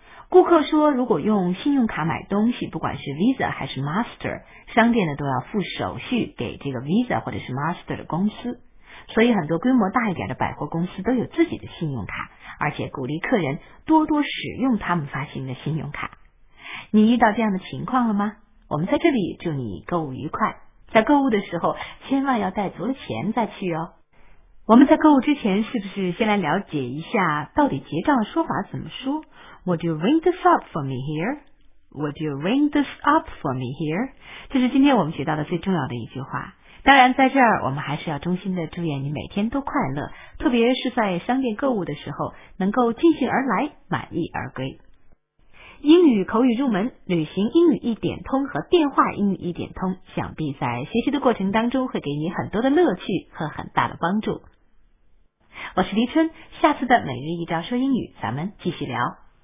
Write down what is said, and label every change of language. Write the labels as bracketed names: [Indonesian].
[Chinese] 顾客说如果用信用卡买东西，不管是 Visa 还是 Master, 商店呢都要付手续给这个 Visa 或者是 Master 的公司，所以很多规模大一点的百货公司都有自己的信用卡，而且鼓励客人多多使用他们发行的信用卡。你遇到这样的情况了吗？我们在这里祝你购物愉快，在购物的时候千万要带足了钱再去哦。我们在购物之前是不是先来了解一下到底结账的说法怎么说？ [English] Would you ring this up for me here? Would you ring this up for me here? [Chinese] 这是今天我们学到的最重要的一句话。当然在这儿我们还是要衷心的祝愿你每天都快乐，特别是在商店购物的时候能够尽兴而来满意而归。英语口语入门，旅行英语一点通和电话英语一点通，想必在学习的过程当中会给你很多的乐趣和很大的帮助。我是黎春，下次的每日一招说英语咱们继续聊。